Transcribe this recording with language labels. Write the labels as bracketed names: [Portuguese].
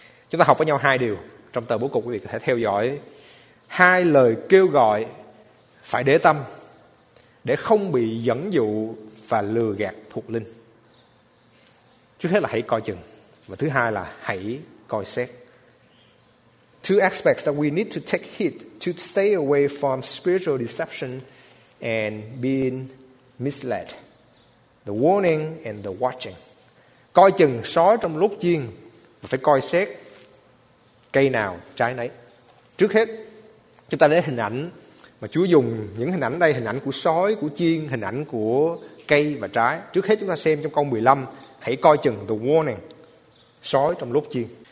[Vietnamese] Chúng ta học với nhau hai điều trong tờ bố cục, quý vị có thể theo dõi. Hai lời kêu gọi phải để tâm để không bị dẫn dụ và lừa gạt thuộc linh. Trước hết là hãy coi chừng, và thứ hai là hãy coi xét. [English] Two aspects that we need to take heed to stay away from spiritual deception and being misled. The warning and the watching. [Vietnamese] Coi chừng sói trong lúc chiên, và phải coi xét cây nào trái nấy. Trước hết, chúng ta lấy hình ảnh mà Chúa dùng, những hình ảnh đây, hình ảnh của sói, của chiên, hình ảnh của cây và trái. Trước hết chúng ta xem trong câu 15, hãy coi chừng, [English] the warning, [Vietnamese] sói trong lốt chiên.